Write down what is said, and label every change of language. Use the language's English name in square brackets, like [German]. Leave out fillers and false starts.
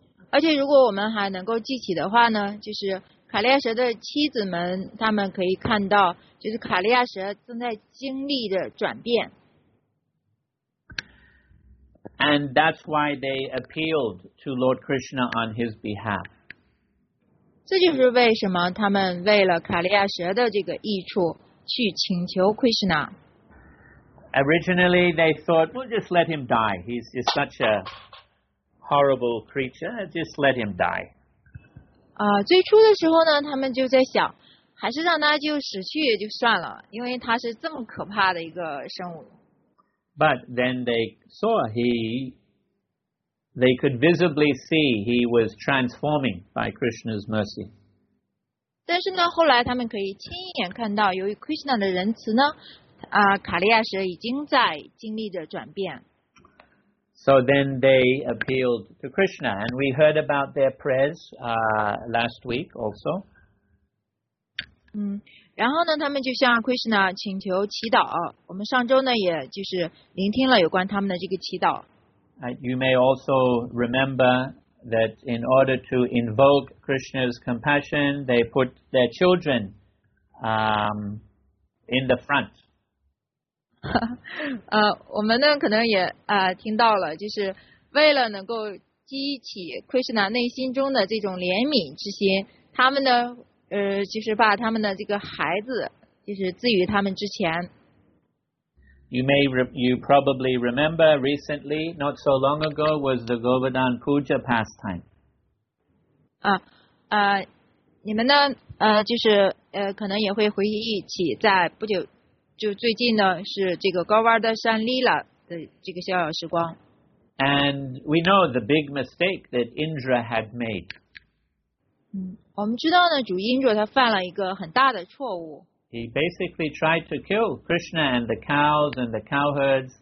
[Chinese] 而且如果我们还能够记起的话呢，就是卡利亚蛇的妻子们，他们可以看到，就是卡利亚蛇正在经历着转变。 [English] And that's why they appealed to Lord Krishna on his behalf. [Chinese] 这就是为什么他们为了卡利亚蛇的这个益处去请求 Krishna. [English] Originally, they thought, we'll just let him die. He's just such a horrible creature. Just let him die. [Chinese] 最初的时候呢，他们就在想，还是让他就死去就算了，因为他是这么可怕的一个生物。 [English] But then they saw they could visibly see he was transforming by Krishna's mercy. [Chinese] 但是呢，后来他们可以亲眼看到，由于 Krishna 的仁慈呢，卡利亚蛇已经在经历着转变。 [English] So then they appealed to Krishna, and we heard about their prayers last week also. [Chinese] 然后呢，他们就向 Krishna 请求祈祷。我们上周呢，也就是聆听了有关他们的这个祈祷。 [English] You may also remember that in order to invoke Krishna's compassion, they put their children, in the front. [Chinese] 我们呢可能也听到了，就是为了能够激起 Krishna 内心中的这种怜悯之心，他们呢。就是把他们的这个孩子，就是置于他们之前。 [English] You probably remember recently, not so long ago, was the Govardhan Puja pastime. [Chinese] 你们呢？就是可能也会回忆起，在不久就最近呢，是这个高瓦的山丽拉的这个逍遥时光。 [English] And we know the big mistake that Indra had made. [Chinese] 我们知道呢，主因着他犯了一个很大的错误。 [English] He basically tried to kill Krishna and the cows and the cowherds.